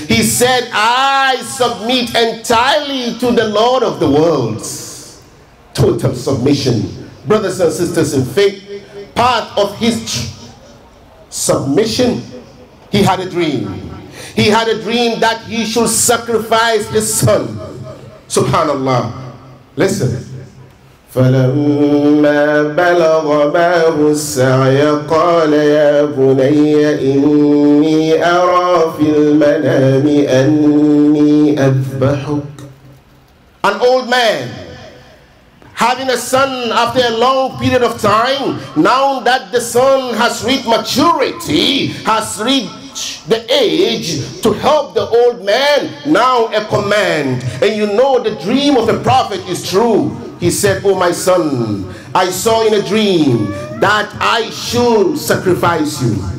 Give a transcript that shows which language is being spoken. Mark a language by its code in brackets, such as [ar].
[en] He said, I submit entirely to the Lord of the worlds. Total submission. Brothers and sisters in faith, part of his submission, he had a dream. He had a dream that he should sacrifice his son. Subhanallah. Listen. [ar] فلما بلغ معه السعي قال يا بني إني أرى في المنام أني أذبحك. [en] An old man having a son after a long period of time, now that the son has reached maturity, has reached the age to help the old man, now a command. And you know the dream of a prophet is true. He said, "Oh my son, I saw in a dream that I should sacrifice you."